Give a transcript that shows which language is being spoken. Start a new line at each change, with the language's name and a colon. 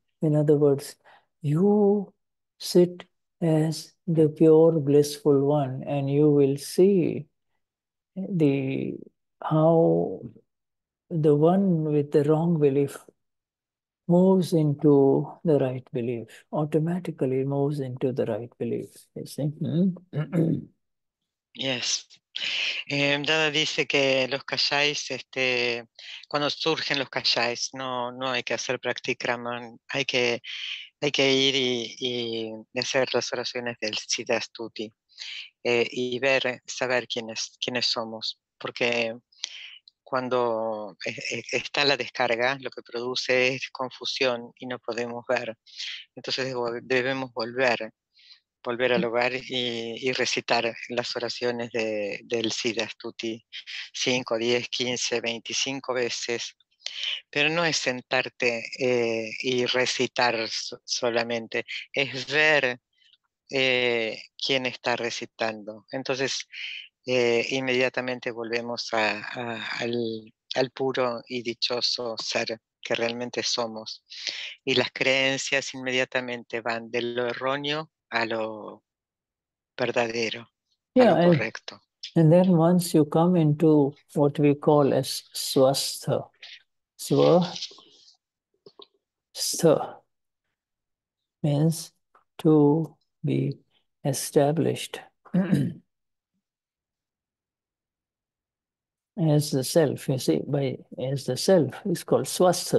English: In other words, you sit as the pure blissful one, and you will see how the one with the wrong belief moves into the right belief, automatically moves into the right belief, you see. Yes.
Spanish: Dada dice que los kashais, cuando surgen los kashais, no hay que hacer practicraman, hay que ir y hacer las oraciones del Siddha Stuti y ver, saber quiénes somos. Porque cuando está la descarga, lo que produce es confusión y no podemos ver. Entonces debemos volver al hogar y recitar las oraciones del Siddha Stuti 5, 10, 15, 25 veces. Pero no es sentarte y recitar solamente, es ver quién está recitando. Entonces, inmediatamente volvemos al puro y dichoso ser que realmente somos. Y las creencias inmediatamente van de lo erróneo a lo verdadero, yeah, a lo correcto.
English: And then once you come into what we call as swastha, Swastha means to be established as the self, you see, as the self is called swastha.